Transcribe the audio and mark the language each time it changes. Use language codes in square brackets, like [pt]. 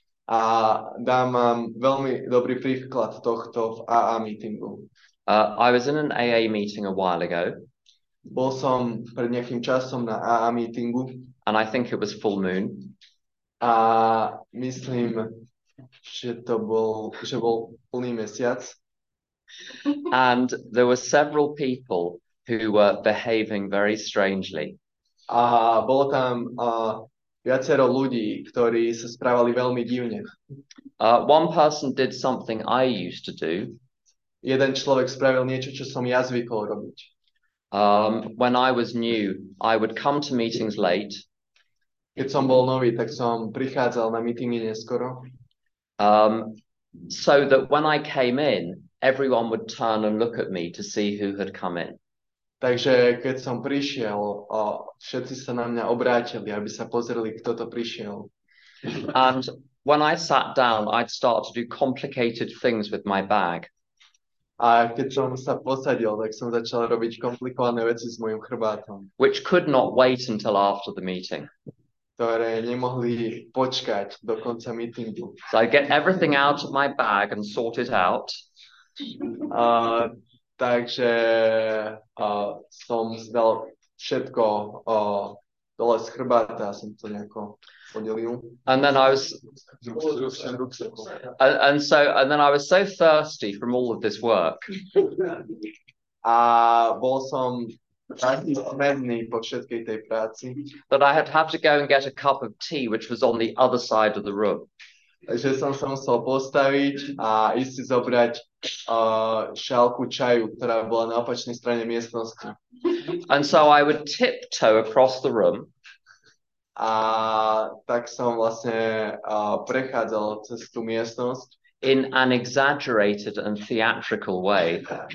[sk] A dám vám veľmi dobrý príklad tohto v AA meetingu. [en] I was in an AA meeting a while ago. [sk] Bol som pred nejakým časom na AA meetingu. [en] And I think it was full moon. [sk] A myslím, že to bol, že bol plný mesiac. [en] And there were several people who were behaving very strangely. [sk] A bolo tam viacero ľudí, ktorí sa správali veľmi divne. [en] One person did something I used to do. [sk] Jeden človek spravil niečo, čo som ja zvykol robiť. [en] When I was new, I would come to meetings late. [sk] Keď som bol nový, tak som prichádzal na meetingy neskoro. [en] So that when I came in, everyone would turn and look at me to see who had come in. [sk] Takže keď som prišiel, všetci sa na mňa obrátili, aby sa pozreli, kto to prišiel. [en] And when I sat down, I'd start to do complicated things with my bag. [sk] A keď som sa posadil, tak som začal robiť komplikované veci s mojim chrbátom. [en] Which could not wait until after the meeting. [sk] Ktoré nemohli počkať do konca meetingu. [en] So I get everything out of my bag and sort it out. [sk] Takže som zdal všetko dole z chrbáta a som to nejako podelil. [en] And then I was and then I was so thirsty from all of this work. [sk] A bol som taký smedný po všetkej tej práci. [en] That I had to go and get a cup of tea, which was on the other side of the room. [sk] Že som sa musel postaviť a ísť si zobrať šálku čaju, ktorá bola na opačnej strane miestnosti. [en] And so I would tiptoe across the room. [sk] A tak som vlastne prechádzal cez tú miestnosť. [en] In an exaggerated and theatrical way.